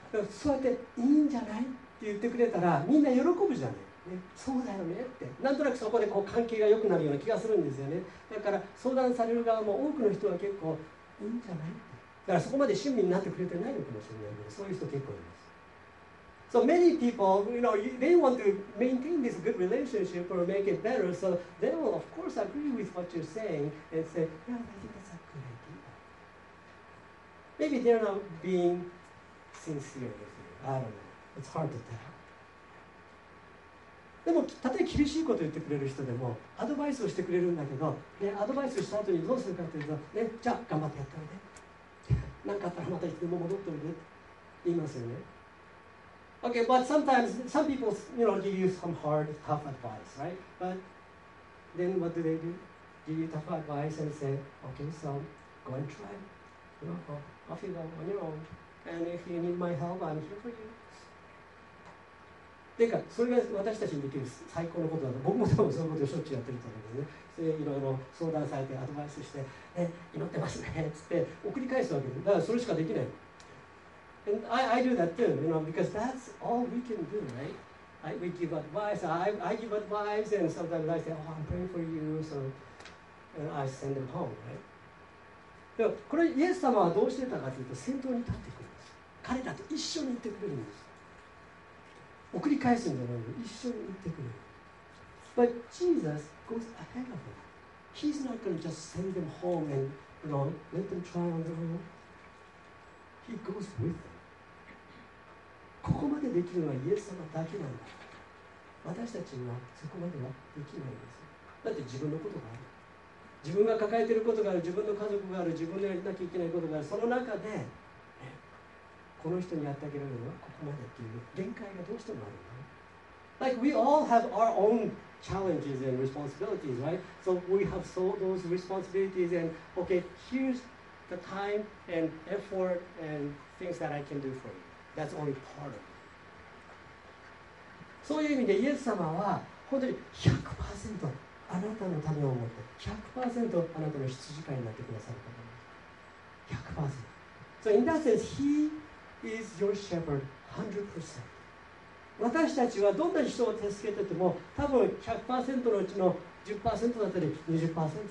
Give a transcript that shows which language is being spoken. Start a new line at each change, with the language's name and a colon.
Japanese: そうやっていいんじゃないって言ってくれたら、みんな喜ぶじゃない、ね、そうだよねって、なんとなくそこでこう関係が良くなるような気がするんですよね。だから相談される側も多くの人は結構いいんじゃないって、だからそこまで親身になってくれてないのかもしれないけど、そういう人結構います。
English: So many people, you know, they want to maintain this good relationship or make it better, so they will of course agree with what you're saying and say, yeah, I think that's a good ideaMaybe they're not being sincere with you. I don't know. It's hard to tell.
Japanese: でも、たとえ厳しいことを言ってくれる人でも、アドバイスをしてくれるんだけど、ね、アドバイスした後にどうするかというと、ね、じゃあ頑張ってやっておいで。何かあったらまたいつでも戻っておいでって言いますよね。
English: Okay, but sometimes some people, you know, give you some hard, tough advice, right? But then what do they do? Give you tough advice and say, okay, so go and try. You know,Off you go on your own. And if you need my help, I'm here for you.
Japanese: てか、それが私たちにできる最高のことだと、僕もでもそういうことをしょっちゅうやってると思うんですね。で、いろいろ相談されて、アドバイスして、ね、祈ってますね、つって送り返すわけで、だからそれしかできない。
English: And I do that too, you know, because that's all we can do, right? We give advice, I give advice, and sometimes I say, oh, I'm praying for you, so I send them home, right?
Japanese: でもこれイエス様はどうしてたかというと、先頭に立ってくるんです。彼らと一緒に行ってくれるんです。送り返すんじゃないの、一緒に行ってくれる。
English: But Jesus goes ahead of them. He's not going to just send them home and, you know, let them try on their own. He goes with them.
Japanese: ここまでできるのはイエス様だけなんだ。私たちにはそこまではできないんです。だって自分のことがある、自分が抱えていることがある、自分の家族がある、自分のやりなきゃいけないことがある。その中で、ね、この人にやってあげられるのはここまでっていう限界がどうしてもあるんだ、ね、
English: Like we all have our own challenges and responsibilities, right? So we have so those responsibilities and okay, here's the time and effort and things that I can do for you. That's only part of it.
Japanese: そういう意味でイエス様は本当に 100% あなたのためを思って 100% あなたの羊飼いになってくださる方なんです。
English: So in that sense, he is your shepherd 100%。
Japanese: 私たちはどんな人を助けてても多分 100% のうちの 10% だったり 20% だったり 30% だったりするんじゃない。